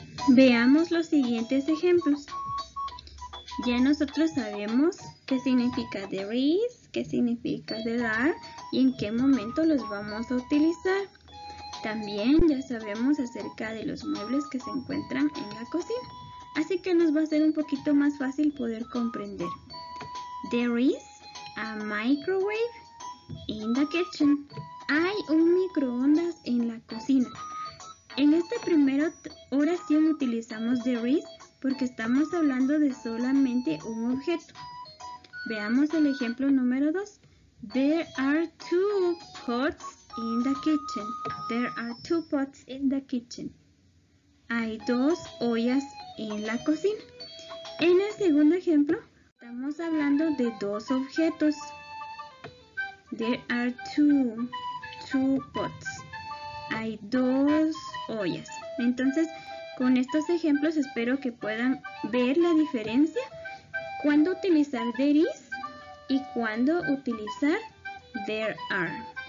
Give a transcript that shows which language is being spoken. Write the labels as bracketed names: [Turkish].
[Spanish] Veamos los siguientes ejemplos. Ya nosotros sabemos qué significa there is, qué significa there are y en qué momento los vamos a utilizar. También ya sabemos acerca de los muebles que se encuentran en la cocina. Así que nos va a ser un poquito más fácil poder comprender. [English] There is a microwave in the kitchen. [Spanish] Hay un microondas en la cocina. En esta primera oración utilizamos there is porque estamos hablando de solamente un objeto. Veamos el ejemplo número 2. [English] There are two pots in the kitchen. There are two pots in the kitchen. [Spanish] Hay dos ollas en la cocina. En el segundo ejemplo, estamos hablando de dos objetos. [English] There are two pots. [Spanish] Hay dos ollas. Entonces, con estos ejemplos espero que puedan ver la diferencia cuando utilizar there is y cuando utilizar there are.